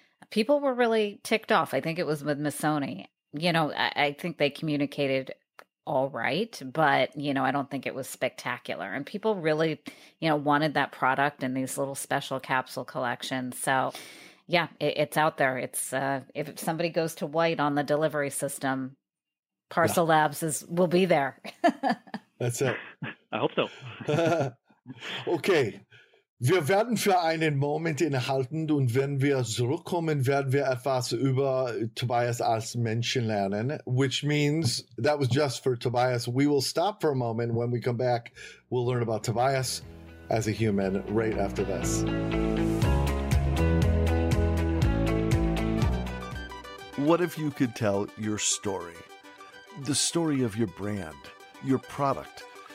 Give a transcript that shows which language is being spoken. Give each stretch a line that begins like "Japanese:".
English: People were really ticked off. I think it was with Missoni. You know, I think they communicated all right, but you know, I don't think it was spectacular. And people really, you know, wanted that product and these little special capsule collections. So, yeah, it's out there. It's if somebody goes to white on the delivery system, Parcel Labs will be there. That's it. I hope so. Okay.
German: Wir werden für einen Moment innehalten und wenn wir zurückkommen, werden wir etwas über Tobias als Menschen lernen,
English: which means that was just for Tobias. We will stop for a moment. When we come back, we'll learn about Tobias as a human right after this. What if you could tell your story? The story of your brand, your product.